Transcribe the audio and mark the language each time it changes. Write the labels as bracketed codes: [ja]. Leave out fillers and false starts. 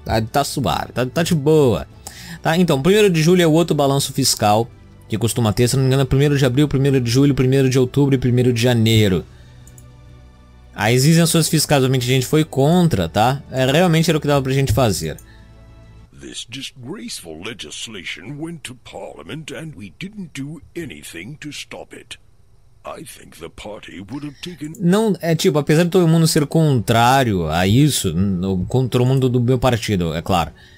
[pt] Tá suave, tá de boa. Tá, então, 1º de julho é o outro balanço fiscal que costuma ter. Se não me engano, é 1º de abril, 1º de julho, 1º de outubro e 1º de janeiro. As isenções fiscais, obviamente, a gente foi contra, tá? Realmente era o que dava pra gente fazer. [en] This disgraceful legislation went to Parliament and we didn't do anything to stop it. I think the party would have taken. [pt] Não, tipo, apesar de todo mundo ser contrário a isso, contra o mundo do meu partido, é claro.